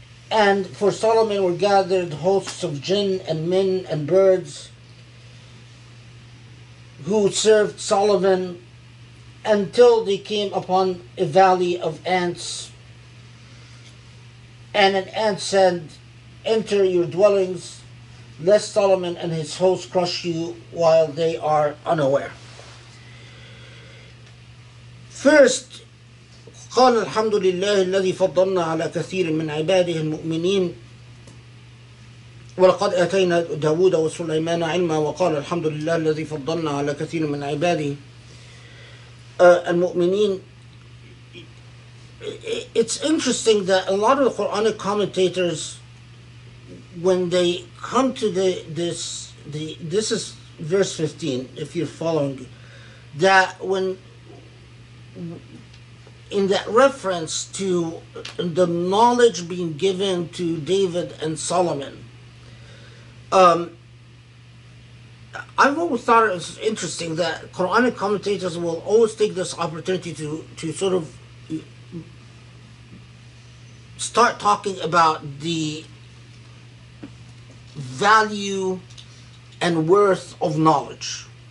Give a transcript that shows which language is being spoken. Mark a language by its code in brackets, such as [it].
[en] And for Solomon were gathered hosts of jinn and men and birds who served Solomon until they came upon a valley of ants. And an ant said, "Enter your dwellings, lest Solomon and his hosts crush you while they are unaware." First, [ar] قال الحمد لله الذي فضلنا على كثير من عباده المؤمنين ولقد أتينا داود وسليمان علما وقال الحمد لله الذي فضلنا على كثير من عباده المؤمنين. [en] It's interesting that a lot of the Quranic commentators, when they come to this is verse 15, if you're following, that when in that reference to the knowledge being given to David and Solomon, I've always thought it was interesting that Quranic commentators will always take this opportunity to sort of start talking about the value and worth of knowledge.